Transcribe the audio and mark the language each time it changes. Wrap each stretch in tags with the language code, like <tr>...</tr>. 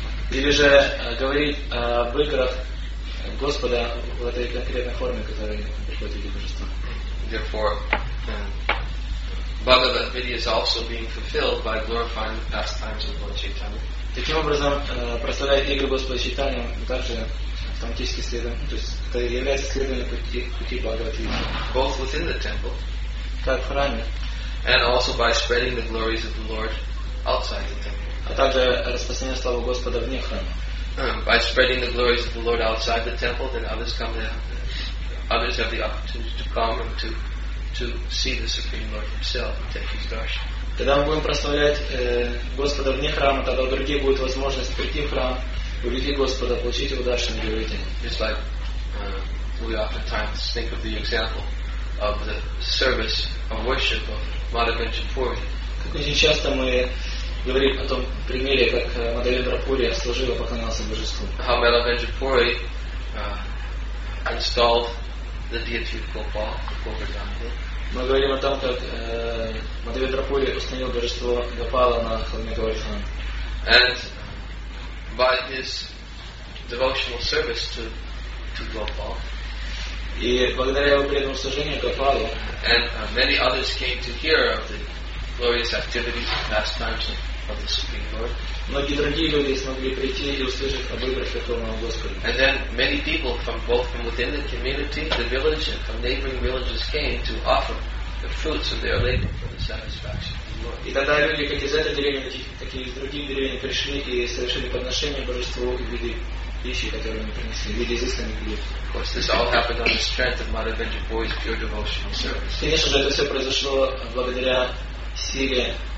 <ru>Или же говорить об играх Господа в этой конкретной форме, которая приходит в виде божества.</ru> <en>Therefore, Bhagavad Vidya is also being fulfilled by glorifying the pastimes of Lord Chaitanya.</en> <ru>Таким образом, прославляя игры Господа Чайтанья, также автоматически следует, то есть это является следованием пути Бхагавад Гиты.</ru> <en>Both within the temple,</en> <ru>как в храме,</ru> <en>and also by spreading the glories of the Lord outside the temple.</en> <ru>А также распространение славы Господа вне храма.</ru> <en>By spreading the glories of the Lord outside the temple, then others come there. Others have the opportunity to come and to see the Supreme Lord Himself and take His darshan.</en> <ru>Когда мы будем прославлять Господа вне храма, тогда другие будет возможность прийти в храм, увидеть Господа, получить его даршан и выйти.</ru> <en>Just like we oftentimes think of the example of the service of worship of Madhavendra Puri.</en> <ru>Как очень часто мы говорим о том примере, как Мадхавендра Пури служил и поклонялся божеству.</ru> <en>How Madhavendra Puri installed the deity of Gopal, Govardhan Hill.</en> <ru>Мы говорим о том, как Мадхавендра Пури установил божество Гопала на холме Говардхан.</ru> <en>And by his devotional service to Gopal.</en> <ru>И благодаря его преданному служению Гопалу.</ru> <en>And many others came to hear of the glorious activities and pastimes of the Supreme Lord.</en> <ru>Многие другие люди смогли прийти и услышать об играх Верховного Господа.</ru> <en>And then many people from within the community, the village, and from neighboring villages came to offer the fruits of their labor for the satisfaction of the Lord.</en> <ru>И тогда люди как из этой деревни, так и из других деревень пришли и совершили подношение божеству в виде пищи, которую они принесли, в виде изысканных блюд.</ru> <en>Of course, this all happened on the strength of Madhavendra Puri's pure devotional service.</en> <ru>Конечно же, это все произошло благодаря силе.</ru>